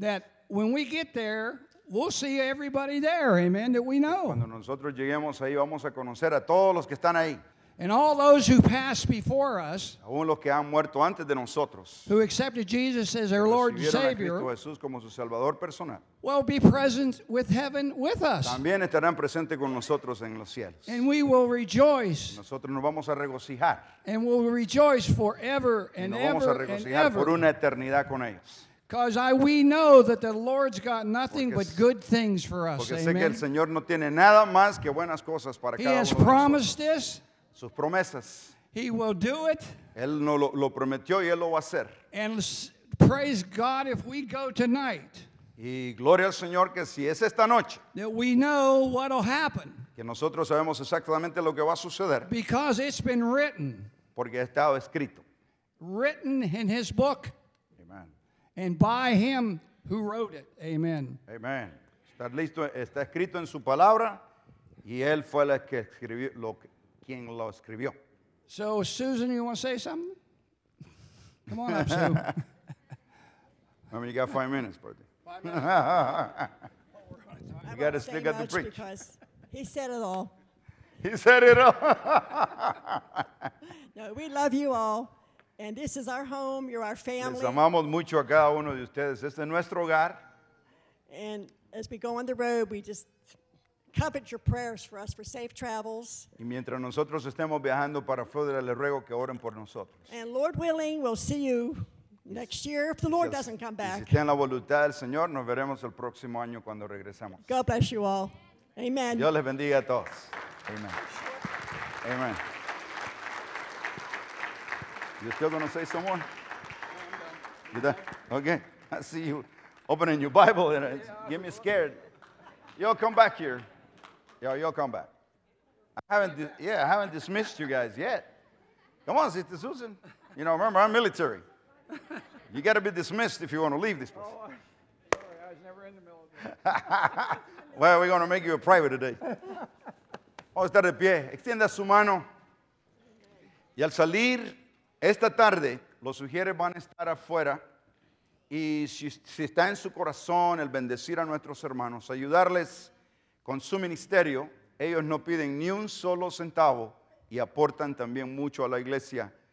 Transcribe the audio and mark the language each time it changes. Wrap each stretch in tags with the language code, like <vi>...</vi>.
<en>That when we get there, we'll see everybody there, amen, that we know.</en> <es>Cuando nosotros lleguemos ahí, vamos a conocer a todos los que están ahí.</es> <en>And all those who passed before us,</en> <es>aún los que han muerto antes de nosotros,</es> <en>who accepted Jesus as their Lord and Savior,</en> <es>recibieron a Cristo Jesús como su Salvador personal,</es> <en>will be present with heaven with us.</en> <es>También estarán presentes con nosotros en los cielos.</es> <en>And we will rejoice.</en> <es>Nosotros nos vamos a regocijar.</es> <en>And we'll rejoice forever and ever.</en> <es>Y nos vamos a regocijar por una eternidad con ellos.</es> <en>Because we know that the Lord's got nothing but good things for us.</en> <es>Porque sé que el Señor no tiene nada más que buenas cosas para cada uno de nosotros.</es> <en>He has promised this.</en> <es>Sus promesas.</es> <en>He will do it.</en> <es>Él no lo prometió y él lo va a hacer.</es> <en>And praise God if we go tonight.</en> <es>Y gloria al Señor que si es esta noche.</es> <en>That we know what'll happen.</en> <es>Que nosotros sabemos exactamente lo que va a suceder.</es> <en>Because it's been written.</en> <es>Porque ha estado escrito.</es> <en>Written in His book. Amen. And by Him who wrote it. Amen. Amen.</en> <es>Está listo, está escrito en su palabra y él fue el que escribió lo que. Quien lo escribió.</es> <en>So, Susan, you want to say something? Come on up, Sue. Remember, you got 5 minutes, brother. 5 minutes. You got to stick at the preach. Because he said it all. He said it all. No, we love you all. And this is our home. You're our family.</en> <es>Les amamos mucho a cada uno de ustedes. Este es nuestro hogar.</es> <en>And as we go on the road, we just covet your prayers for us for safe travels.</en> <es>Y mientras nosotros estemos viajando para Florida, les ruego que oren por nosotros.</es> <en>And Lord willing, we'll see you next year if the Lord doesn't come back.</en> <es>Y si está en la voluntad del Señor, nos veremos el próximo año cuando regresemos.</es> <en>God bless you all. Amen.</en> <es>Dios les bendiga a todos. Amen. Amen.</es> <en>You still going to say some more? You done? Okay. I see you opening your Bible and it gets me scared. Y'all come back here. Y'all come back. I haven't dismissed you guys yet. Come on, Sister Susan. You know, remember, I'm military. You got to be dismissed if you want to leave this place. Sorry, I was never in the military. Well, we're going to make you a private today.</en> <es>Vamos a estar de pie. Extienda su mano. Y al salir esta tarde, los sugieres van a estar afuera. Y si está en su corazón el bendecir a nuestros hermanos, ayudarles con su ministerio, ellos no piden ni un solo centavo y aportan también mucho a la iglesia.</es>